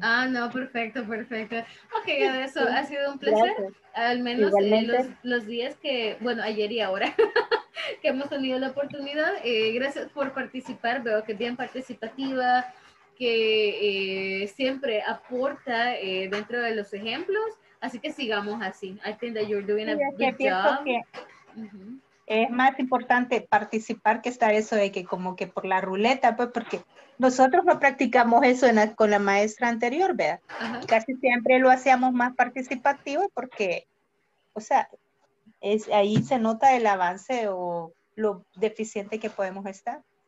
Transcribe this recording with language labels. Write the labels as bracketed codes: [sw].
[es] Ah, no, perfecto, perfecto. Okay, eso ha sido un placer. Gracias. Al menos los días que, bueno, ayer y ahora, que hemos tenido la oportunidad. Gracias por participar. Veo que es bien participativa, que siempre aporta dentro de los ejemplos. Así que sigamos así. [en] I think that you're doing a good job. [es] Es más importante participar que estar eso de que como que por la ruleta, pues porque nosotros no practicamos eso con la maestra anterior, ¿verdad? Ajá. Casi siempre lo hacíamos más participativo porque, o sea, ahí se nota el avance o lo deficiente que podemos estar.